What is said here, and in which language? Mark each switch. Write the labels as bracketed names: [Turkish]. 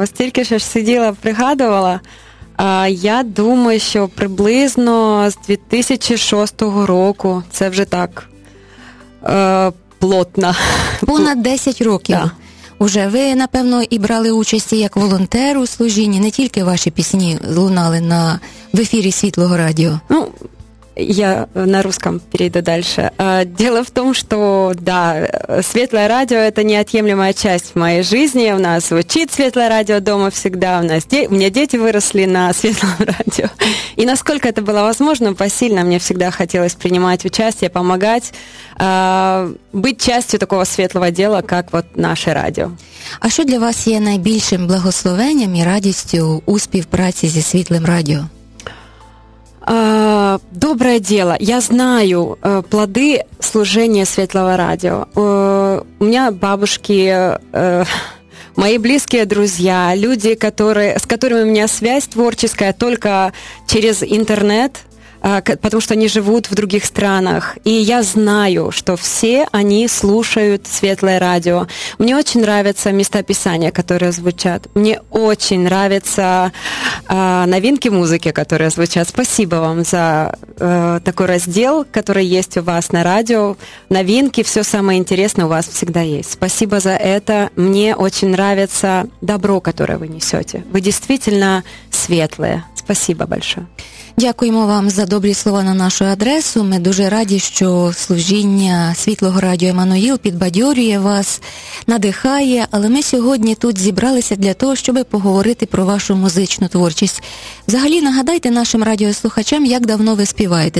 [Ukrainian] Ось тільки що ж сиділа, пригадувала. Я думаю, що приблизно з 2006 року. Це вже так плотно. Понад 10 років. Да. Уже ви, напевно, і брали участь як волонтер у служінні. Не тільки ваші пісні лунали в ефірі Світлого радіо. [Russian] Ну, я на русском перейду дальше. Дело в том, что, да, Светлое радио – это неотъемлемая часть моей жизни. У нас звучит Светлое радио дома всегда. У меня дети выросли на Светлом радио. И насколько это было возможно, посильно мне всегда хотелось принимать участие, помогать, быть частью такого светлого дела, как вот наше радио. А что для вас [Ukrainian] є найбільшим благословением и радостью у співпраці зі Світлим радіо? [Russian] Доброе дело. Я знаю плоды служения Светлого радио. У меня бабушки, мои близкие друзья, люди, с которыми у меня связь творческая только через интернет, потому что они живут в других странах. И я знаю, что все они слушают Светлое радио. Мне очень нравятся места писания, которые звучат. Мне очень нравятся новинки музыки, которые звучат. Спасибо вам за такой раздел, который есть у вас на радио. Новинки, все самое интересное у вас всегда есть. Спасибо за это. Мне очень нравится добро, которое вы несете. Вы действительно светлые. Спасибо большое. [Ukrainian] Дякуємо вам за добрі слова на нашу адресу. Ми дуже раді, що служіння Світлого радіо «Еммануїл» підбадьорює вас, надихає. Але ми сьогодні тут зібралися для того, щоб поговорити про вашу музичну творчість. Взагалі, нагадайте нашим радіослухачам, як давно ви співаєте.